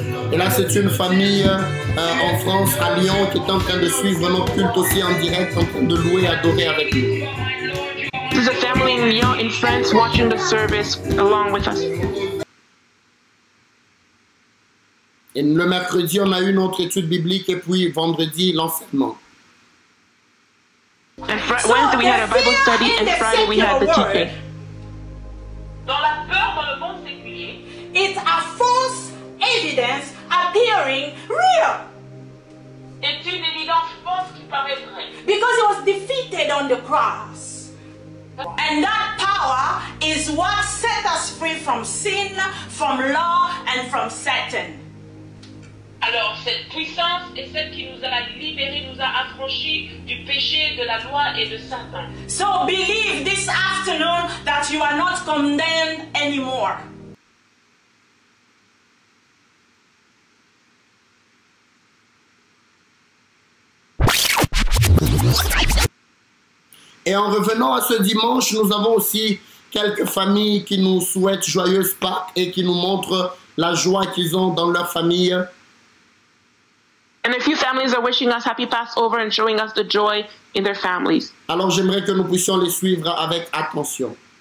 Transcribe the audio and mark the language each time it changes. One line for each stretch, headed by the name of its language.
French: Et là, c'est une famille en France, à Lyon, qui est en train de suivre notre culte aussi en direct, en train de louer et adorer avec nous.
English: This is a family in Lyon, in France, watching the service along with us.
French: Et le mercredi, on a eu notre étude biblique et puis vendredi, l'enseignement.
English: Wednesday, we had a Bible study and Friday, we had the teaching.
French: Dans la peur, dans le monde séculier,
English: it's a false evidence appearing real.
French: C'est une évidence fausse qui paraît vraie.
English: Because it was defeated on the cross. And that power is what set us free from sin, from law and from Satan.
French: Alors, cette puissance est celle qui nous a libérés, nous a affranchis du péché, de la loi et de Satan.
English: So believe this afternoon that you are not condemned anymore.
French: Et en revenant à ce dimanche, nous avons aussi quelques familles qui nous souhaitent joyeuse Pâques et qui nous montrent la joie qu'ils ont dans leur famille.
English: And a few families are wishing us happy Passover and showing us the joy in their families.
French: Alors j'aimerais que nous puissions les suivre avec attention.